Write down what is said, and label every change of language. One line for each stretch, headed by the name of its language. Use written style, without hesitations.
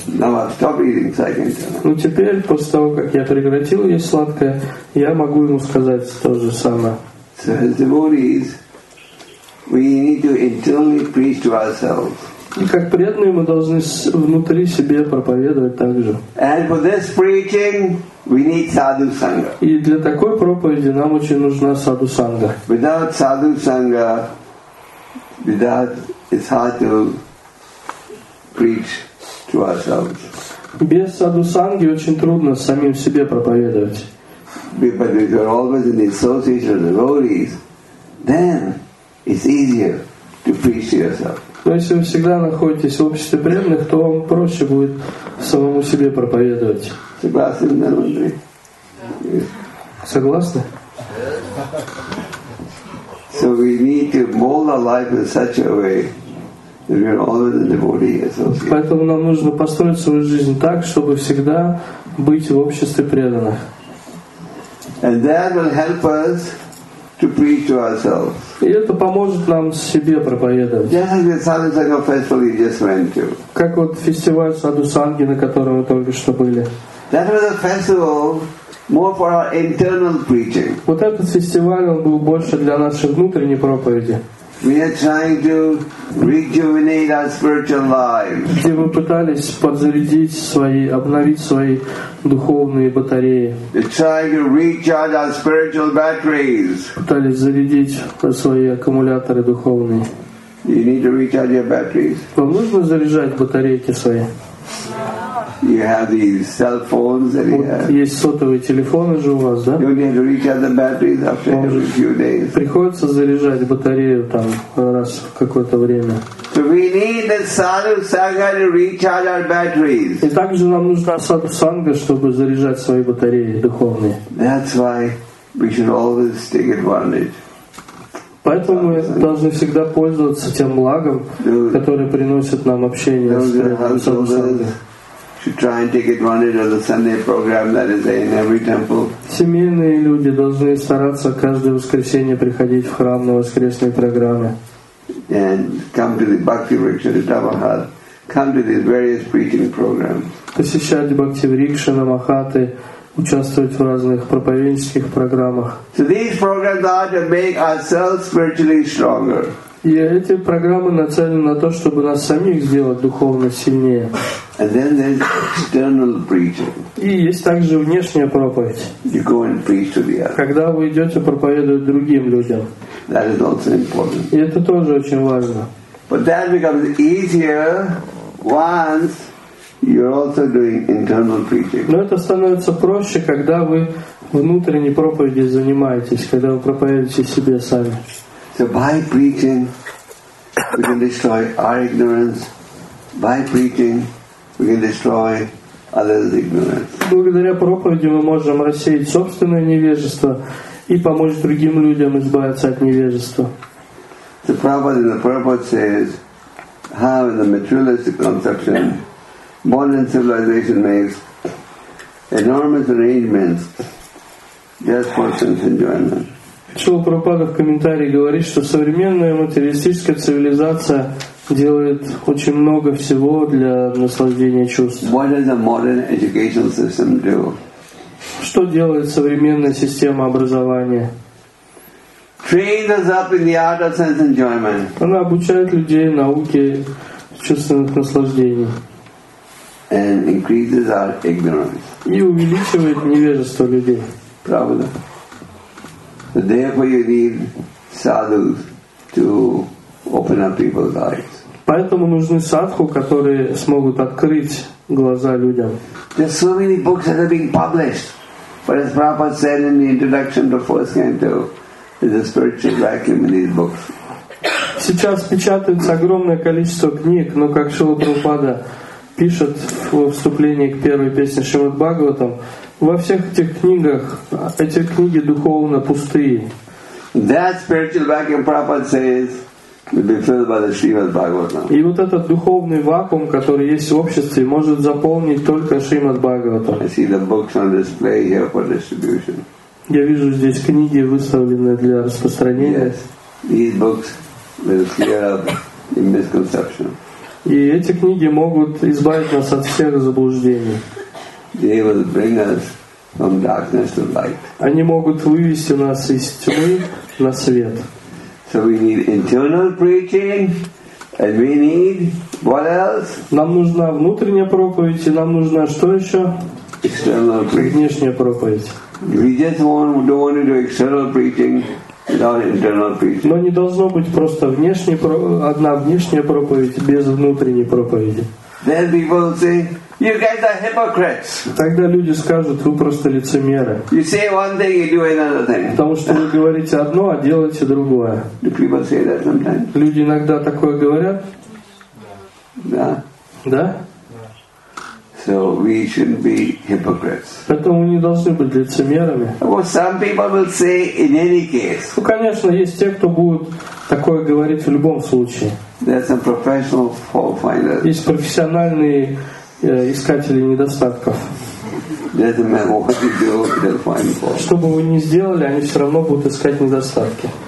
English: "Now I've stopped eating, so I can tell him."
Russian: Ну теперь, после того, как я прекратил есть сладкое, я могу ему сказать то же самое.
English: "So the word is, we need to internally preach to ourselves."
Russian: И как преданные мы должны внутри себе проповедовать также.
English: "And for this preaching, we need sadhu sangha."
Russian: И для такой проповеди нам очень нужна саду санга.
English: "Without sadhu sangha, without it's hard to preach to ourselves."
Russian: Без саду санги очень трудно самим себе проповедовать.
English: "But if you're always in the association of the devotees, then it's easier to preach to yourself."
Russian: Но если вы всегда находитесь в обществе преданных, то вам проще будет самому себе проповедовать. Согласны, Андрей?
English: Yeah.
Russian: Согласны?
English: So we need to mold our life in such a way that we're always in devotee association.
Russian: Поэтому нам нужно построить свою жизнь так, чтобы всегда быть в обществе преданных.
English: And that will help us to preach to ourselves.
Russian: И это поможет нам себе проповедовать.
English: Just like the Sadhu Sangha festival you just went to.
Russian: Как вот фестиваль Саду Санги, на котором мы только что были.
English: That was a festival more for our internal preaching.
Russian: Вот этот фестиваль, он был больше для нашей внутренней проповеди.
English: We are trying to rejuvenate our spiritual lives.
Russian: Где мы пытались подзарядить свои, обновить свои духовные батареи.
English: We are trying to recharge our spiritual batteries.
Russian: Пытались зарядить свои аккумуляторы духовные.
English: You need to recharge your batteries.
Russian: Вам нужно заряжать батарейки свои.
English: You have these cell phones that you have.
Russian: Есть сотовые телефоны же у вас, да?
English: You need to recharge the batteries after every few days.
Russian: Приходится заряжать батарею там раз в какое-то время.
English: So we need the sadhu sangha to recharge our batteries.
Russian: И также нам нужна саду санга, чтобы заряжать свои батареи духовные.
English: That's why we should always take advantage.
Russian: Поэтому мы должны всегда пользоваться тем благом, которое приносит нам общение с саду сангой.
English: Should try and take advantage of the Sunday program that is in every temple.
Russian: Семейные люди должны стараться каждое воскресенье приходить в храм на воскресные программы.
English: And come to the Bhakti Riksha Dhammahat. Come to these various preaching programs.
Russian: Посещать Бхакти Рикша Намахаты, участвовать в разных проповеднических программах.
English: So these programs are to make ourselves spiritually stronger.
Russian: И эти программы нацелены на то, чтобы нас самих сделать духовно сильнее.
English: And then there's external preaching.
Russian: И есть также внешняя проповедь.
English: You go and preach to the other.
Russian: Когда вы идете проповедовать другим людям.
English: That is also important.
Russian: И это тоже очень важно.
English: But that becomes easier once you're also doing internal preaching.
Russian: Но это становится проще, когда вы внутренней проповедью занимаетесь, когда вы проповедуете себе сами.
English: So by preaching, we can destroy our ignorance. By preaching, we can destroy others' ignorance.
Russian: Благодаря проповеди мы можем рассеять собственное невежество и помочь другим людям избавиться от невежества.
English: The Prabhupada in the Purport says, how in the materialistic conception, modern civilization makes enormous arrangements just for sense enjoyment.
Russian: Шрила Прабхупада в комментарии говорит, что современная материалистическая цивилизация делает очень много всего для наслаждения чувств.
English: What does the modern educational system do?
Russian: Что делает современная система образования?
English: Trains us up in the art of sense enjoyment.
Russian: Она обучает людей науке чувственных наслаждений.
English: And increases our ignorance.
Russian: И увеличивает невежество людей. Правда.
English: So therefore, you need sadhus to open up people's eyes.
Russian: Поэтому нужны садху, которые смогут открыть глаза людям.
English: There's so many books that are being published, but as Prabhupada said in the introduction to First Canto, there's a spiritual vacuum in these books.
Russian: Сейчас печатается огромное количество книг, но как Шрила Прабхупада пишет во вступлении к первой песне Шримад Бхагаватам. Во всех этих книгах, эти книги духовно пустые.
English: That spiritual vacuum, Prabhupada says, will be filled by the Shrimad Bhagavatam.
Russian: И вот этот духовный вакуум, который есть в обществе, может заполнить только Шримад Бхагаватам.
English: I see the books on display here for distribution.
Russian: Я вижу здесь книги, выставленные для распространения.
English: Yes, these books will clear up the misconception.
Russian: И эти книги могут избавить нас от всех заблуждений.
English: They will bring us from darkness to light.
Russian: Они могут вывести нас из тьмы на свет.
English: So we need internal preaching, and we need what else?
Russian: Нам нужна внутренняя проповедь, и нам нужна что еще?
English: External preaching.
Russian: Внешняя проповедь.
English: We just don't want to do external preaching without internal preaching.
Russian: Но не должно быть просто одна внешняя проповедь без внутренней проповеди.
English: Then people say, you guys are hypocrites.
Russian: Тогда люди скажут, вы просто лицемеры.
English: You say one thing, you do another thing.
Russian: Потому что вы говорите одно, а делаете другое.
English: Do people say that sometimes?
Russian: Люди иногда такое говорят? Да. Да?
English: So we shouldn't be hypocrites.
Russian: Поэтому мы не должны быть лицемерами.
English: Well, some people will say in any case.
Russian: Ну, конечно, есть те, кто будут такое говорить в любом случае.
English: There's some professional fault finders.
Russian: Есть профессиональные искатели недостатков. Что бы вы ни сделали, они все равно будут искать недостатки.